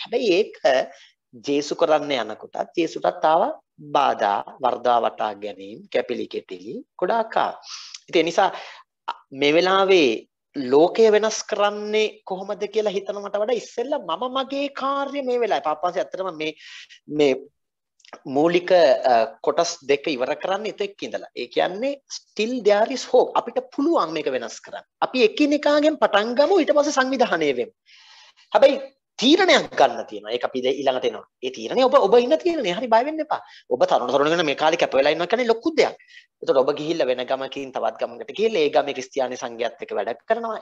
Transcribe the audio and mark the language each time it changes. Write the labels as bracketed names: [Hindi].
[Sinhala] හැබැයි ඒක ජේසු කරන්න යනකොට ජේසුටත් ආව බාධා වර්ධා වටා ගැනීම කැපිලි කෙටිලි ගොඩාක්. ඉතින් ඒ නිසා මේ වෙලාවේ ලෝකය වෙනස් කරන්නේ කොහොමද කියලා හිතන මට වඩා ඉස්සෙල්ලා මම මගේ කාර්ය මේ වෙලාවේ පාපංශය ඇත්තටම මේ මූලික කොටස් දෙක ඉවර කරන්න ඉතෙක් ඉඳලා. ඒ කියන්නේ [English] still there is hope. [Sinhala] අපිට පුළුවන් මේක වෙනස් කරන්න. අපි එකිනෙකාගෙන් පටන් ගමු ඊට පස්සේ සංවිධානය වෙමු. හැබැයි තීරණයක් ගන්න තියෙනවා. ඒක අපි ඊළඟට එනවා. ඒ තීරණය ඔබ ඉන්න තීරණේ. හරි බය වෙන්න එපා. ඔබ තරුණ තරුණ වෙන මේ කාලේ කැප වෙලා ඉන්නවා කියන්නේ ලොකු දෙයක්. එතකොට ඔබ ගිහිල්ලා වෙන ගමකින් තවත් ගමකට ගිහිල්ලා ඒ ගමේ ක්‍රිස්තියානි සංඝයාත් එක්ක වැඩ කරනවා.